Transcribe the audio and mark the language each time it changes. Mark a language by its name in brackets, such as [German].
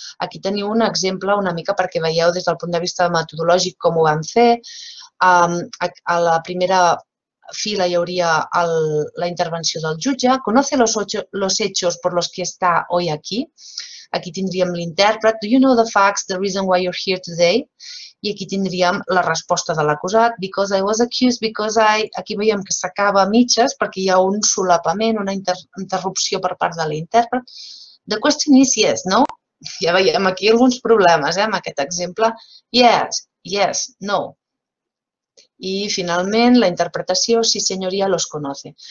[Catalan] Aquí teniu un exemple una mica perquè veieu des del punt de vista metodològic com ho vam fer. A la primera fila hi hauria la intervenció del jutge. [Spanish] ¿Conoce los hechos por los que está hoy aquí? [Catalan] Aquí tindríem l'intèrpret. [English] Do you know the facts, the reason why you're here today? [Catalan] I aquí tindríem la resposta de l'acusat. [English] Because I was accused, because I... [Catalan] Aquí veiem que s'acaba a mitges perquè hi ha un solapament, una interrupció per part de l'intèrpret. [English] The question is yes, no? [Catalan] Ja veiem aquí alguns problemes, amb aquest exemple. [English] Yes, yes, no. [Catalan] I finalment, la interpretació, si senyoria [Spanish] los conoce.